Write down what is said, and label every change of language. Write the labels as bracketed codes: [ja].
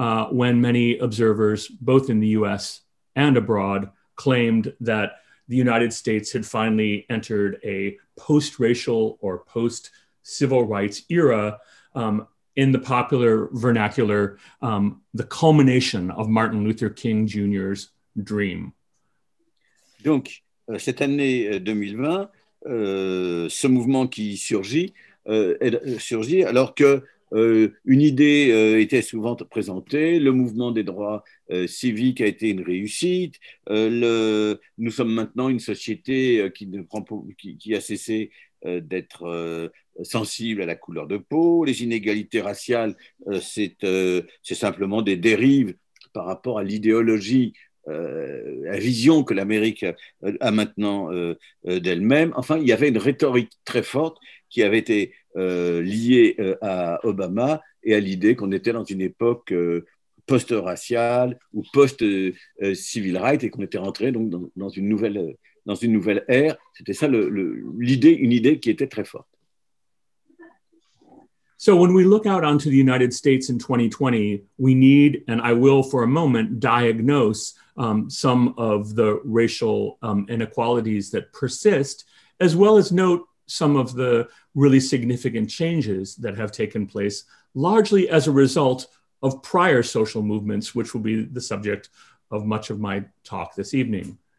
[en] when many observers, both in the US and abroad, claimed that the United States had finally entered a post-racial or post-civil rights era, in the popular vernacular, the culmination of Martin Luther King Jr.'s dream. [fr] Donc, cette année 2020, ce mouvement qui surgit, surgit alors que une idée était souvent présentée, le mouvement des droits civiques a été une réussite, nous sommes maintenant une société qui a cessé d'être sensible à la couleur de peau, les inégalités raciales, c'est simplement des dérives par rapport à l'idéologie, la vision que l'Amérique a maintenant d'elle-même. Enfin, il y avait une rhétorique très forte qui avait été liée à Obama et à l'idée qu'on était dans une époque post-raciale ou post-civil rights et qu'on était rentré donc dans une nouvelle ère. C'était ça une idée qui était très forte. [en] So when we look out onto the United States in 2020, we need, and I will for a moment, diagnose some of the racial inequalities that persist, as well as note some of the really significant changes that have taken place, largely as a result of prior social movements, which will be the subject of much of my talk this evening.